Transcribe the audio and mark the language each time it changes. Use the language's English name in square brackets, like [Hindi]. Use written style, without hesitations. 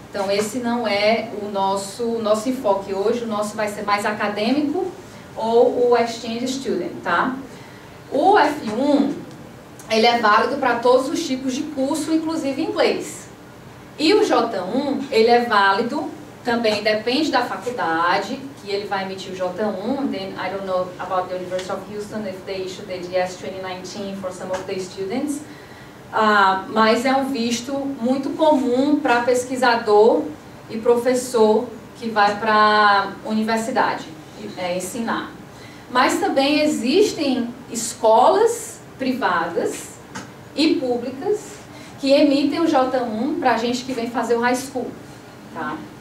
[Portuguese] Então, esse não é o nosso enfoque hoje, o nosso vai ser mais acadêmico ou o exchange student, tá? O F1, ele é válido para todos os tipos de curso, inclusive inglês. E o J1, ele é válido também, depende da faculdade que ele vai emitir o J1. [English] Then, I don't know about the University of Houston, if they issued the DS 2019 for some of the students. [Portuguese] Mas é um visto muito comum para pesquisador e professor que vai para a universidade ensinar. Mas também existem escolas privadas e públicas que emitem o J1 para a gente que vem fazer o high school. Tá?